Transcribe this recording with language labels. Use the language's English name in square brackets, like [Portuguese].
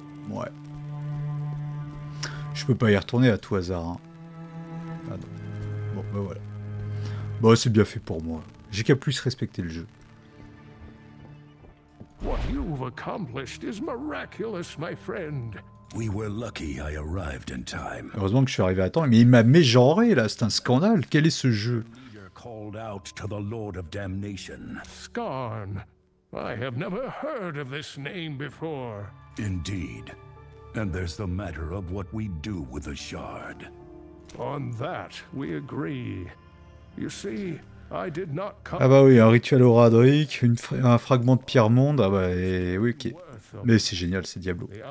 [French] Ouais. Je peux pas y retourner à tout hasard. Hein. Ah non. Bon, ben voilà. Bon, c'est bien fait pour moi. J'ai qu'à plus respecter le jeu. [English] What you've accomplished is miraculous, my friend. We were lucky I arrived in time. [French] Heureusement que je suis arrivé à temps, mais il m'a mégenré là, c'est un scandale. Quel est ce jeu? [English] Called out to the Lord of Damnation. Scarn. I have never heard of this name before. Indeed. And there's the matter of what we do with the shard. On that, we agree. You see, I did not come... [French] Ah bah oui, un rituel au Radric, un fragment de pierre monde, ah bah oui, ok. Mais c'est génial, c'est Diablo.